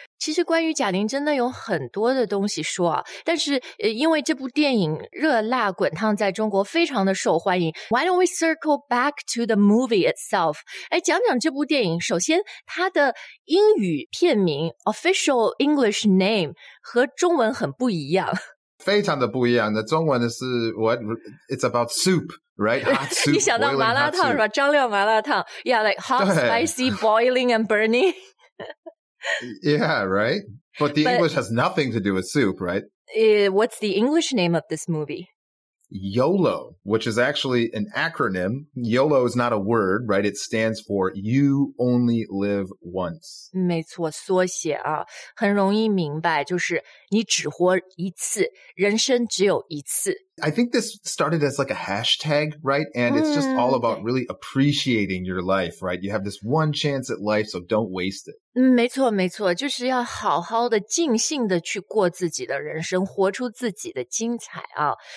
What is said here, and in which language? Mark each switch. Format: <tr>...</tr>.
<zh>其实关于贾玲真的有很多的东西说啊，但是因为这部电影热辣滚烫在中国非常的受欢迎。</zh> <en>Why don't we circle back to the movie itself?</en> <zh>哎，讲讲这部电影。首先，它的英语片名</zh> <en>official English name</en> <zh>和中文很不一样，非常的不一样。那中文的是</zh> <en>what? It's about soup. Right, hot soup.</en> <zh>你想到麻辣烫是吧？张亮麻辣烫</zh> <en>，Yeah, like hot, spicy, boiling and burning. Yeah, right. But the English has nothing to do with soup, right? What's the English name of this movie? YOLO, which is actually an acronym. YOLO is not a word, right? It stands for You Only Live Once.</en> <zh>没错，缩写啊，很容易明白，就是你只活一次，人生只有一次。</zh> <en>I think this started as like a hashtag, right? And it's just all about really appreciating your life, right? You have this one chance at life, so don't waste it.</en> <zh>没错没错，就是要好好的尽兴的去过自己的人生，活出自己的精彩啊。</zh>